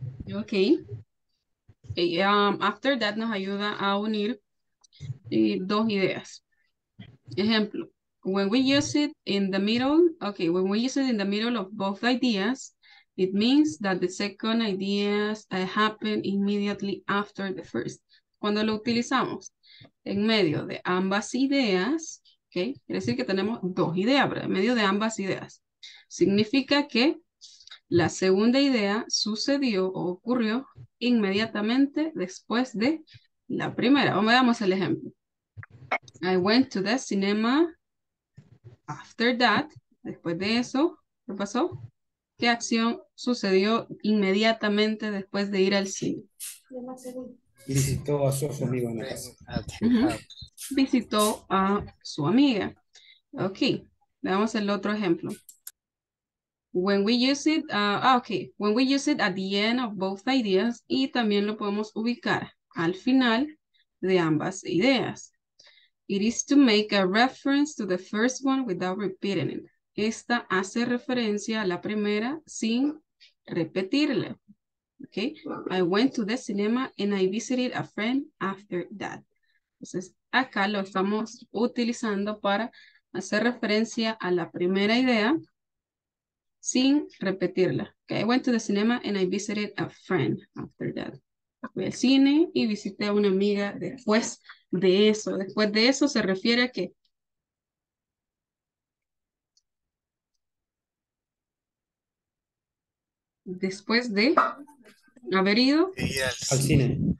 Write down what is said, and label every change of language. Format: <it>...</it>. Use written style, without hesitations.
<es>Okay. After that nos ayuda a unir dos ideas. Ejemplo.</es> <en>When we use it in the middle of both ideas, It means that the second ideas happen immediately after the first.</en> <es>¿Cuándo lo utilizamos? En medio de ambas ideas, ¿ok? Quiere decir que tenemos dos ideas, ¿verdad? En medio de ambas ideas. Significa que la segunda idea sucedió o ocurrió inmediatamente después de la primera. O veamos el ejemplo.</es> <en>I went to the cinema after that.</en> <es>Después de eso, ¿qué pasó? ¿Qué acción sucedió inmediatamente después de ir al cine? Visitó a su amigo en la casa. Uh-huh. Visitó a su amiga. Ok, veamos el otro ejemplo.</es> <en>When we use it, when we use it at the end of both ideas,</en> <es>y también lo podemos ubicar al final de ambas ideas.</es> <en>It is to make a reference to the first one without repeating it.</en> <es>Esta hace referencia a la primera sin repetirla.</es> <en>Okay. I went to the cinema and I visited a friend after that.</en> <es>Entonces, acá lo estamos utilizando para hacer referencia a la primera idea sin repetirla.</es> <en>Okay. I went to the cinema and I visited a friend after that.</en> <es>Fui al cine y visité a una amiga después de eso. Después de eso se refiere a que después de haber ido al cine.</es>